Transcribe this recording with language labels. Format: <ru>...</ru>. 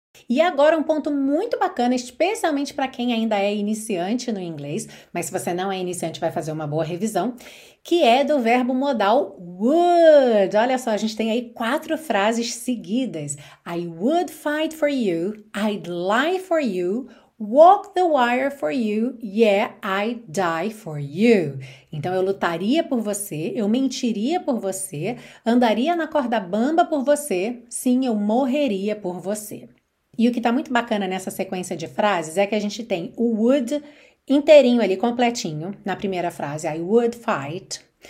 <pt>E agora um ponto muito bacana, especialmente para quem ainda é iniciante no inglês, mas se você não é iniciante vai fazer uma boa revisão, que é do verbo modal would. Olha só, a gente tem aí quatro frases seguidas.</pt> <en>I would fight for you, I'd lie for you, walk the wire for you, yeah, I'd die for you.</en> <pt>Então, eu lutaria por você, eu mentiria por você, andaria na corda bamba por você, sim, eu morreria por você. E o que está muito bacana nessa sequência de frases é que a gente tem o would inteirinho ali, completinho, na primeira frase,</pt> <en>I would fight.</en>